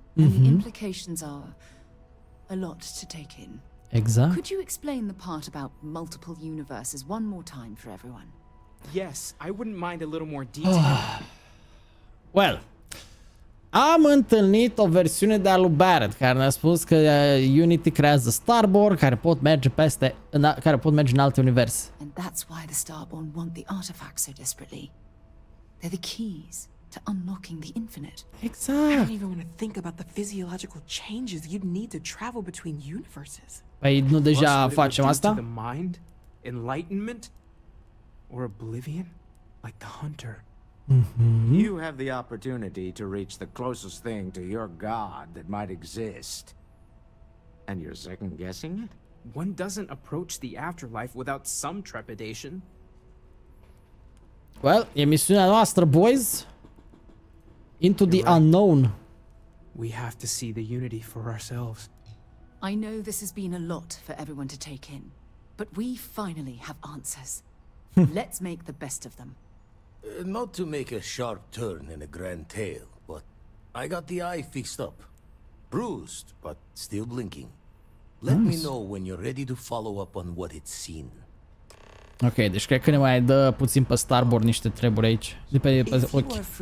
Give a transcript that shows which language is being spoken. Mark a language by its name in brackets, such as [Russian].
[English] And the implications are a lot to take in. Exact. Could you explain the part about multiple universes one more time for everyone? Yes, I wouldn't mind a little more detail. [Romanian] Well, am întâlnit o versiune de a lui Barrett care ne-a spus că Unity creează Starborn care pot merge în alte universe. [English] And that's why the Starborn want the artifacts so desperately. They're the keys to unlocking the infinite. Exact. I don't even want to think about the physiological changes you'd need to travel between universes. [Romanian] Păi nu deja facem asta? [English] The mind, enlightenment, or oblivion, like the hunter. Mm-hmm. You have the opportunity to reach the closest thing to your god that might exist. And you're second guessing it? One doesn't approach the afterlife without some trepidation. [Romanian] Well, e misiunea noastră, boys. [English] Into the unknown. We have to see the unity for ourselves. I know this has been a lot for everyone to take in, but we finally have answers. Let's make the best of them. Not to make a sharp turn in a grand tale, but I got the eye fixed up. Bruised, but still blinking. Let me know when you're ready to follow up on what it's seen. [Romanian] Ok, deci cred că ne mai dă puțin pe Starboard niște treburi aici. De pe ochi.